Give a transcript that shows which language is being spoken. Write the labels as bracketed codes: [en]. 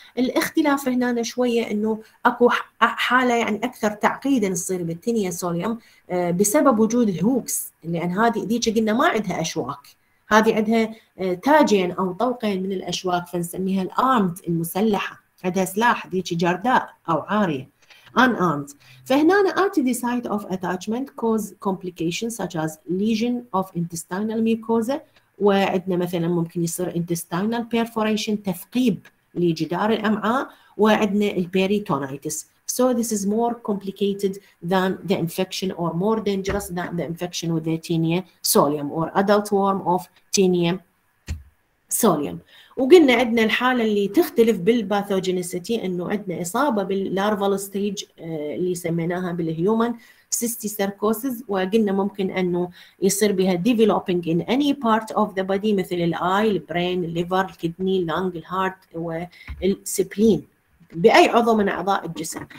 [ar] الاختلاف هنا شويه انه اكو حاله يعني اكثر تعقيدا تصير بالتينيا سوليوم بسبب وجود الهوكس لان هذه ذيك قلنا ما عندها اشواك هذه عندها تاجين او طوقين من الاشواك فنسميها الارمد المسلحه عندها سلاح ذيك جرداء او عاريه [en] unarmed. [ar] فهنا [en] RTD site of attachment cause complications such as lesion of intestinal mucosa. [ar] وعندنا مثلا ممكن يصير intestinal perforation, تثقيب لجدار الأمعاء. وعندنا peritonitis. [en] So this is more complicated than the infection or more dangerous than the infection with the tinea solium or adult worm of tinea solium. [ar] وقلنا عندنا الحالة اللي تختلف بالباثوجينيسيتي انه عندنا اصابة باللارفال ستيج اللي سميناها بالهيومن سيستيسيركوسيس، وقلنا ممكن انه يصير بها [en] developing in any part of the body [ar] مثل الاي البرين الليفر الكدني اللانج الهارت والسبلين بأي عضو من أعضاء الجسم.